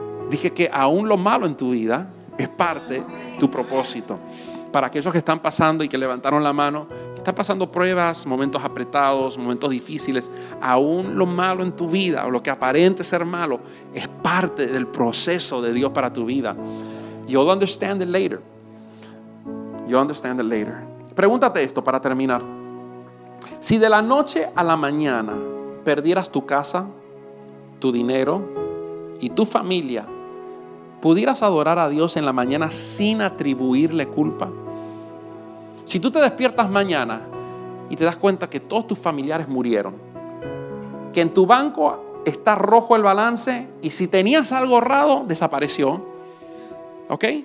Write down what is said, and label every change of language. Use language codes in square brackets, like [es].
[es] Dije que aún lo malo en tu vida es parte de tu propósito. Para aquellos que están pasando y que levantaron la mano, que están pasando pruebas, momentos apretados, momentos difíciles, aún lo malo en tu vida o lo que aparente ser malo es parte del proceso de Dios para tu vida. [en] You'll understand it later. You understand it later. [es] Pregúntate esto para terminar. Si de la noche a la mañana perdieras tu casa, tu dinero y tu familia, ¿pudieras adorar a Dios en la mañana sin atribuirle culpa? Si tú te despiertas mañana y te das cuenta que todos tus familiares murieron, que en tu banco está rojo el balance y si tenías algo ahorrado, desapareció, ¿ok?